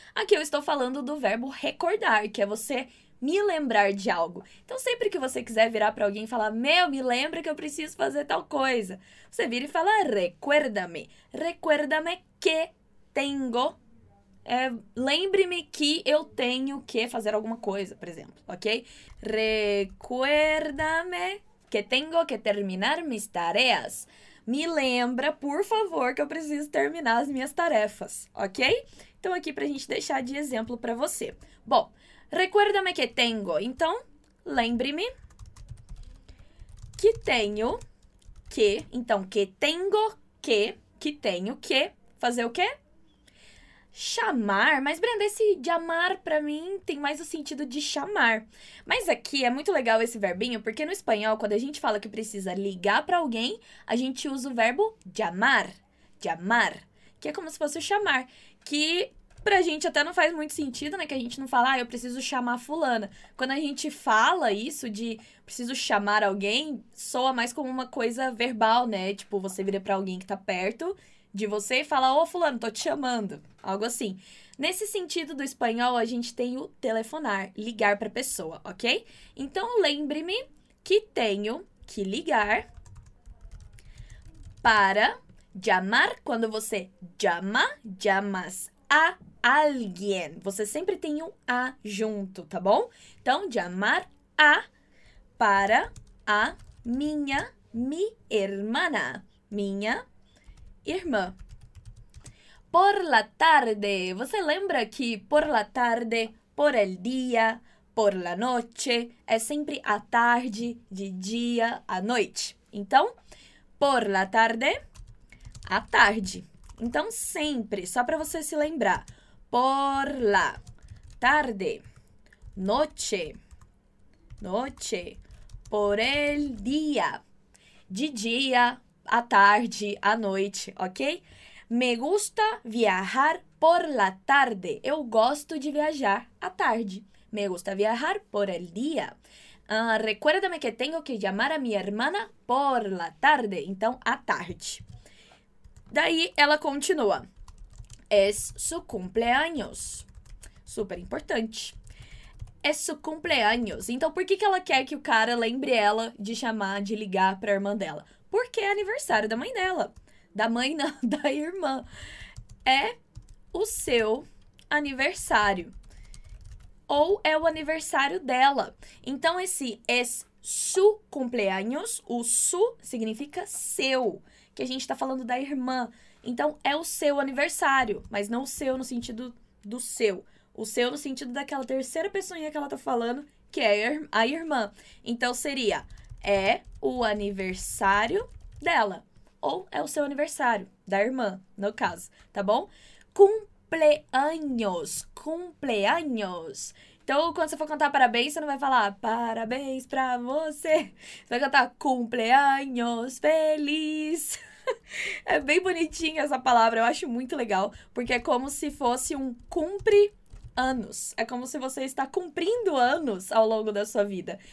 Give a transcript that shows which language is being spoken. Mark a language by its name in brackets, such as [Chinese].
[Portuguese] Aqui eu estou falando do verbo recordar, que é você me lembrar de algo. Então, sempre que você quiser virar para alguém e falar: "Meu, me lembra que eu preciso fazer tal coisa." Você vira e fala: [Spanish] "Recuérdame. Recuérdame que tengo." [Portuguese] É, lembre-me que eu tenho que fazer alguma coisa, por exemplo, ok? [Spanish] Recuérdame que tengo que terminar mis tareas. [Portuguese] Me lembra, por favor, que eu preciso terminar as minhas tarefas, ok? Então, aqui para a gente deixar de exemplo para você. [Spanish] Bom, recuérdame que tengo. [Portuguese] Então, lembre-me que tenho que. Então, [Spanish] que tengo que. [Portuguese] Que tenho que fazer o quê? Chamar. Mas, Brenda, esse de amar para mim tem mais o sentido de chamar. Mas aqui é muito legal esse verbinho, porque no espanhol, quando a gente fala que precisa ligar para alguém, a gente usa o verbo llamar. Llamar. Que é como se fosse o chamar. Que pra gente até não faz muito sentido, né? Que a gente não fala: "Ah, eu preciso chamar fulana." Quando a gente fala isso de "preciso chamar alguém", soa mais como uma coisa verbal, né? Tipo, você vira pra alguém que tá perto de você e fala: "Ô, fulano, tô te chamando." Algo assim. Nesse sentido do espanhol, a gente tem o telefonar, ligar pra pessoa, ok? Então, lembre-me que tenho que ligar [Spanish] para llamar, cuando você llama, llamas a alguien. [Portuguese] Você sempre tem um a junto, tá bom? Então, llamar a para a minha, [Spanish] mi hermana, [Portuguese] minha irmã. Por la tarde, você lembra que [Spanish] por la tarde, por el día, por la noche, [Portuguese] é sempre à tarde, de dia, à noite. Então, [Spanish] por la tarde, [Portuguese] à tarde. Então, sempre, só para você se lembrar, [Spanish] por la tarde, noche, noche, por el día, [Portuguese] de dia, à tarde, à noite, ok? [Spanish] Me gusta viajar por la tarde. [Portuguese] Eu gosto de viajar à tarde. [Spanish] Me gusta viajar por el día. Recuérdame que tengo que llamar a mi hermana por la tarde. [Portuguese] Então, à tarde. Daí, ela continua. [Spanish] Es su cumpleaños. Super importante. Es su cumpleaños. [Portuguese] Então, por que ela quer que o cara lembre ela de chamar, de ligar para a irmã dela? Porque é aniversário da mãe dela. Da mãe, não, da irmã. É o seu aniversário. Ou é o aniversário dela. Então, esse [Spanish] es su cumpleaños, [Portuguese] o su significa seu, que a gente está falando da irmã. Então, é o seu aniversário, mas não o seu no sentido do seu. O seu no sentido daquela terceira pessoinha que ela está falando, que é a irmã. Então, seria, é o aniversário dela. Ou é o seu aniversário, da irmã, no caso, tá bom? [Spanish] Cumpleaños, cumpleaños. [Portuguese] Então, quando você for cantar parabéns, você não vai falar parabéns pra você. Você vai cantar [Spanish] cumpleaños feliz. [Portuguese] É bem bonitinha essa palavra, eu acho muito legal. Porque é como se fosse um cumpre anos. É como se você está cumprindo anos ao longo da sua vida.